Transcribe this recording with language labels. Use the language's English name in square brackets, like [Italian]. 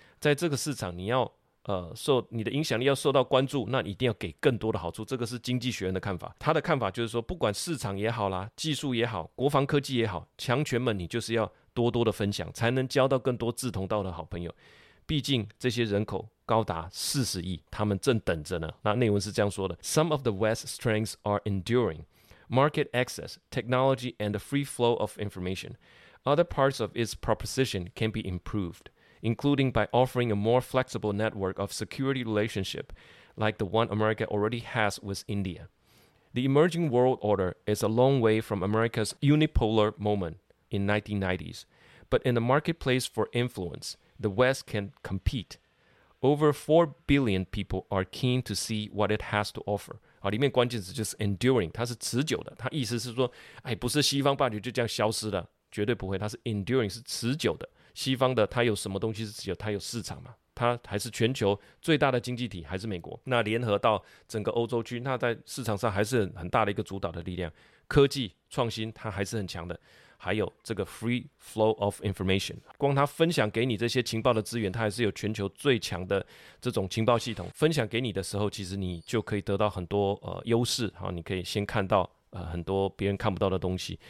[Chinese] 在这个市场，你要你的影响力要受到关注，那你一定要给更多的好处。这个是经济学人的看法，他的看法就是说，不管市场也好啦，技术也好，国防科技也好，强权们你就是要多多的分享，才能交到更多志同道的好朋友。毕竟这些人口高达40亿，他们正等着呢。那内文是这样说的 [English] ：Some of the West's strengths are enduring. Market access, technology, and the free flow of information. Other parts of its proposition can be improved, including by offering a more flexible network of security relationship like the one America already has with India. The emerging world order is a long way from America's unipolar moment in 1990s, but in the marketplace for influence, the West can compete. Over 4 billion people are keen to see what it has to offer. [Chinese] 里面关键词就是 enduring， 它是持久的，它意思是说，不是西方霸权就这样消失了，绝对不会，它是 enduring， 是持久的，西方的它有什么东西是自由，它有市场嘛，它还是全球最大的经济体，还是美国，那联合到整个欧洲区，那在市场上还是很大的一个主导的力量，科技创新它还是很强的，还有这个 [English] free flow of information， [Chinese] 光它分享给你这些情报的资源，它还是有全球最强的这种情报系统，分享给你的时候，其实你就可以得到很多优势，好，你可以先看到很多别人看不到的东西。